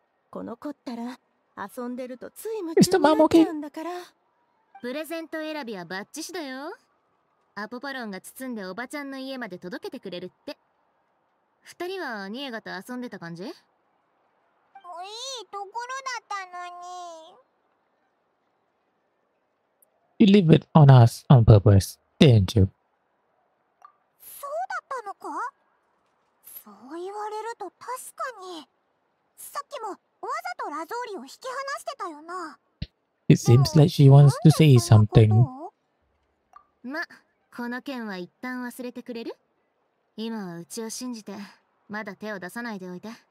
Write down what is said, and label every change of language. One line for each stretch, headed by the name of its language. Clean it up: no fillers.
Japanese: この子ったら遊んでるとつい夢中になっちゃうんだから。プレゼント選びはバッチシだよ。アポパロンが包んでおばちゃんの家まで届けてくれるって。二人はニエガと遊んでた感じ？いいところだったのに。
English: You leave it on us on purpose, didn't you?
Japanese: そうだったのか？そう言われると確かに。さっきもわざとラゾーリを引き離してたよな。
English: It seems like she wants to say something.
Japanese: ま、この件は一旦忘れてくれる？今はうちを信じて、まだ手を出さないでおいて。